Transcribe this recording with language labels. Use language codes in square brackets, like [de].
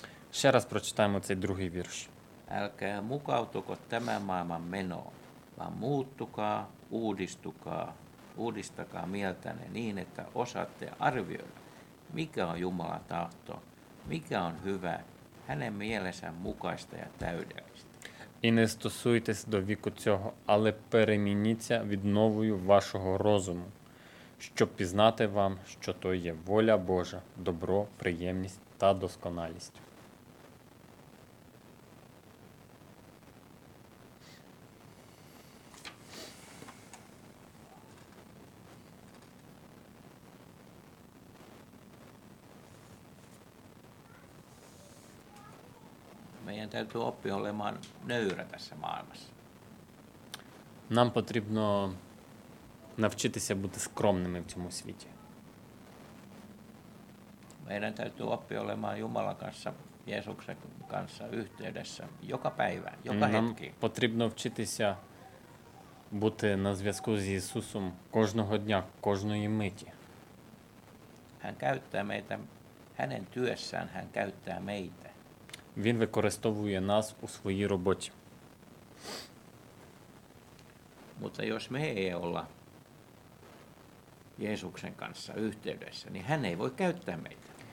[uk] Ще раз прочитаємо цей другий вірш. [fi] Älkää mukautuko tämän maailman menoon, vaan muuttukaa, uudistukaa, uudistakaa mieltäne niin, että osaatte arvioida, mikä on Jumalan tahto, mikä on hyvä, hänen mielensä mukaista ja täydellistä. [uk] І не стосуйтесь до віку цього, але перемініться від новою вашого розуму, щоб пізнати вам, що то є воля Божа, добро, приємність та досконалість. [fi] Meidän täytyy oppia olemaan nöyrä tässä maailmassa. [uk] Нам потрібно навчитися бути скромними в цьому світі. [fi] Meidän täytyy oppia olemaan Jumalan kanssa, Jeesuksen kanssa yhteydessä joka päivä, joka [uk] Нам [fi] hetki. [uk] Нам потрібно вчитися бути на зв'язку з Ісусом кожного дня, кожної миті. [fi] Hän käyttää meitä, hänen työssään hän käyttää meitä. [uk] Він використовує нас у своїй роботі. [fi] Mutta jos me ei olla Jeesuksen kanssa yhteydessä, niin hän ei voi käyttää meitä.